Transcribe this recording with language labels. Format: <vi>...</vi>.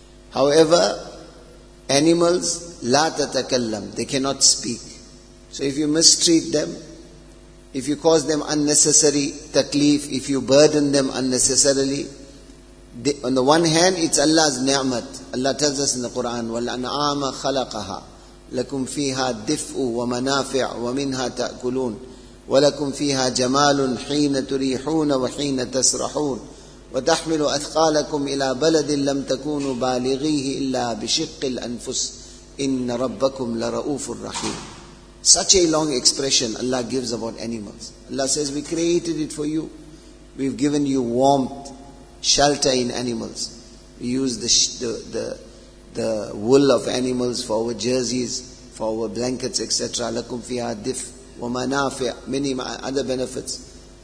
<en>However, animals,</en> <ar>la tatakallam,</ar> <en>they cannot speak. So if you mistreat them, if you cause them unnecessary taklif, if you burden them unnecessarily, they, on the one hand, it's Allah's ni'mat.</en> <ar>Allah tells us in the Quran, وَالْأَنْعَامَ خَلَقَهَا لَكُمْ فِيهَا دِفْءُ وَمَنَافِعُ وَمِنْهَا تَأْكُلُونَ وَلَكُمْ فِيهَا جَمَالٌ حِينَ تُرِيحُونَ وَحِينَ تَسْرَحُونَ وَتَحْمِلُ أَثْقَالَكُمْ إِلَى بَلَدٍ لَمْ تَكُونُوا بَالِغِيهِ إِلَّا بِشِقِّ الْأَنفُسِ إِنَّ رَبَّكُمْ لَرَؤُوفٌ رَحِيمٌ.</ar> <en>Such a long expression Allah gives about animals. Allah says, we created it for you. We've given you warmth, shelter in animals. We use the wool of animals for our jerseys, for our blankets, etc.</en> <ar>لَكُمْ فِيهَا دِفْ وَمَنَافِعُ.</ar> <en>Many other benefits.</en>